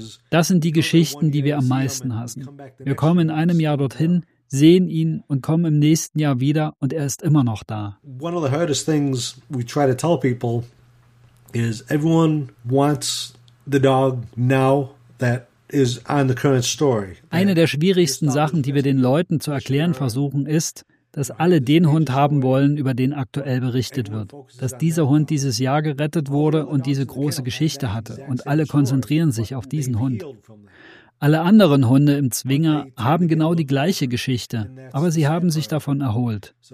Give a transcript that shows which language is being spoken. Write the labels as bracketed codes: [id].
[de] Das sind die Geschichten, die wir am meisten hassen. Wir kommen in einem Jahr dorthin, sehen ihn und kommen im nächsten Jahr wieder und er ist immer noch da. [en] One of the hardest things we try to tell people is everyone wants the dog now that is on the current story. [de] Eine der schwierigsten Sachen, die wir den Leuten zu erklären versuchen, ist, dass alle den Hund haben wollen, über den aktuell berichtet wird. Dass dieser Hund dieses Jahr gerettet wurde und diese große Geschichte hatte. Und alle konzentrieren sich auf diesen Hund. Alle anderen Hunde im Zwinger haben genau die gleiche Geschichte, aber sie haben sich davon erholt.